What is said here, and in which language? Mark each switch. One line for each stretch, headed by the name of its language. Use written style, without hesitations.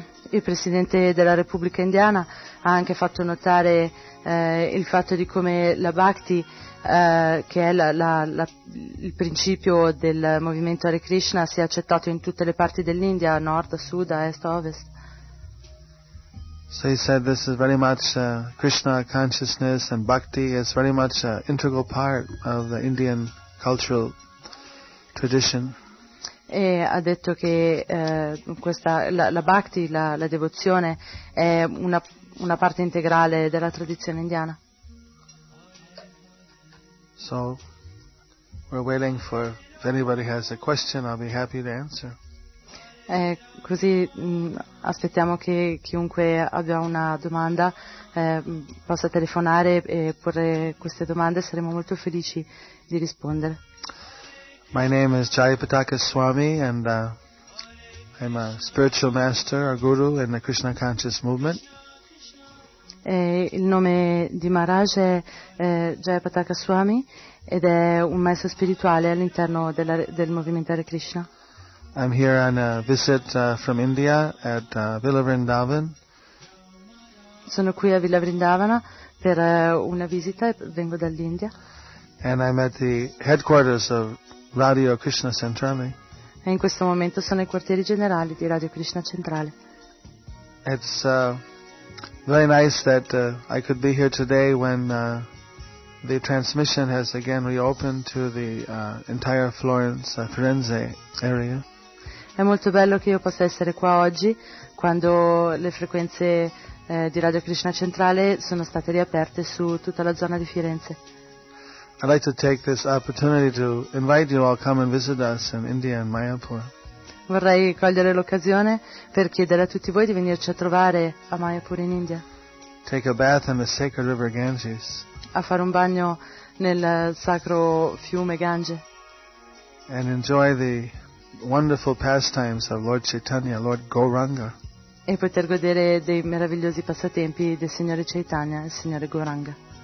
Italian: Il Presidente della Repubblica Indiana ha anche fatto notare il fatto di come la Bhakti, che è il principio del movimento Hare Krishna, sia accettato in tutte le parti dell'India, nord, sud, est, ovest.
English: So he said this is very much Krishna consciousness and Bhakti is very much an integral part of the Indian cultural tradition.
Italian: E ha detto che la bhakti, la devozione, è una parte integrale della tradizione indiana.
English: So, we're waiting for if anybody has a question, I'll be happy to answer.
Italian: Così aspettiamo che chiunque abbia una domanda possa telefonare e porre queste domande, saremo molto felici di rispondere.
English: My name is Jayapataka Swami and I'm a spiritual master, a guru in the Krishna Conscious Movement.
Italian: Il nome di Maharaj è Jayapataka Swami ed è un maestro spirituale all'interno della, del movimento Hare Krishna.
English: I'm here on a visit from India at Villa Vrindavan.
Italian: Sono qui a Villa Vrindavana per una visita e vengo dall'India.
English: And I'm at the headquarters of Radio Krishna Centrale.
Italian: E in questo momento sono ai quartieri generali di Radio Krishna Centrale.
English: It's very nice that I could be here today when the transmission has again reopened to the entire Florence Firenze area.
Italian: È molto bello che io possa essere qua oggi quando le frequenze di Radio Krishna Centrale sono state riaperte su tutta la zona di Firenze.
English: I'd like to take this opportunity to invite you all come and visit us in India and Mayapur.
Italian: Vorrei cogliere l'occasione per chiedere a tutti voi di venirci a trovare a Mayapur in India.
English: Take a bath in the sacred river Ganges.
Italian: A fare un bagno nel sacro fiume Gange.
English: And enjoy the wonderful pastimes of Lord Chaitanya, Lord Gauranga.
Italian: E poter godere dei meravigliosi passatempi del Signore Chaitanya e del Signore Gauranga.